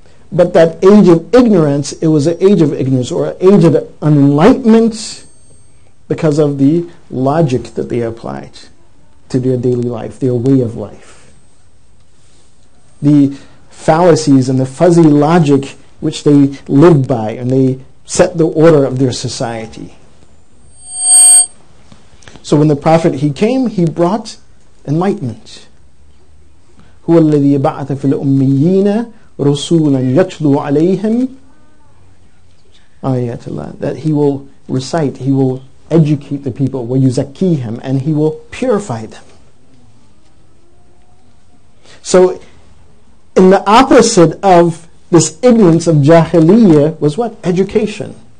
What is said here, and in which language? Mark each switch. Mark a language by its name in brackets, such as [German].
[English] But that age of ignorance, it was an age of ignorance or an age of enlightenment because of the logic that they applied to their daily life, their way of life. The fallacies and the fuzzy logic which they lived by and they set the order of their society. So when the Prophet, he came, he brought enlightenment. [Arabic] هو الذي بعث في الأميين رسولا يتلو عليهم آيات الله. [English] That he will recite, he will educate the people, [Arabic] ويزكيهم, [English] and he will purify them. So in the opposite of this ignorance of jahiliyyah was what? Education.